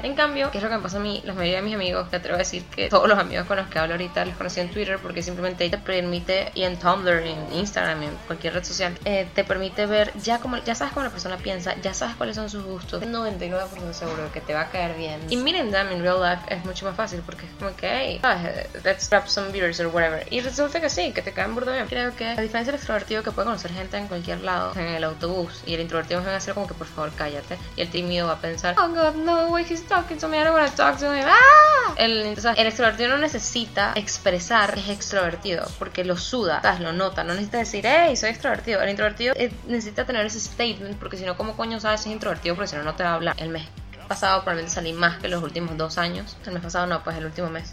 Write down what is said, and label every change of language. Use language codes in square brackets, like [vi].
[es] En cambio, ¿qué es lo que me pasa a mí? La mayoría de mis amigos, te atrevo a decir que todos los amigos con los que hablo ahorita los conocí en Twitter, porque simplemente te permite, y en Tumblr, y en Instagram, y en cualquier red social, te permite ver, ya sabes cómo la persona piensa, ya sabes cuáles son sus gustos, 99% seguro que te va a caer bien. Y miren, en real life es mucho más fácil, porque es como que, hey, [en] let's grab some beers or whatever. [es] Y resulta que sí, que te caen burdo bien. Creo que, a diferencia del extrovertido, que puede conocer gente en cualquier lado, en el autobús, y el introvertido va a ser como que, por favor, cállate. Y el tímido va a pensar, [en] oh god, no, wait, he's talking to me, I don't want to talk to him. [es] El extrovertido no necesita expresar que es extrovertido, porque lo suda, ¿sabes? Lo nota, no necesita decir, hey, soy extrovertido. El introvertido necesita tener ese statement, porque si no, ¿cómo coño sabes si es introvertido? Porque si no, no te va a hablar. El mes pasado probablemente salí más que los últimos 2 años. El mes pasado no, pues el último mes.